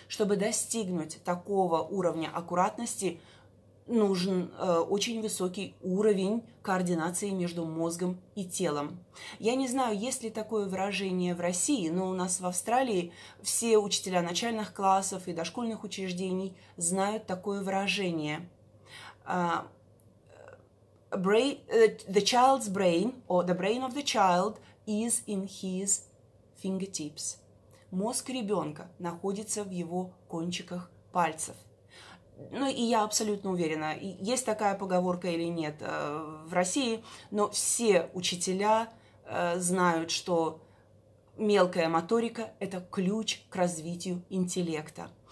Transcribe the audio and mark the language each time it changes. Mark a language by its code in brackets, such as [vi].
[ru] Чтобы достигнуть такого уровня аккуратности, нужен очень высокий уровень координации между мозгом и телом. Я не знаю, есть ли такое выражение в России, но у нас в Австралии все учителя начальных классов и дошкольных учреждений знают такое выражение. [en] The child's brain, or the brain of the child, is in his fingertips. [ru] Мозг ребенка находится в его кончиках пальцев. Ну, и я абсолютно уверена, есть такая поговорка или нет в России, но все учителя знают, что мелкая моторика – это ключ к развитию интеллекта.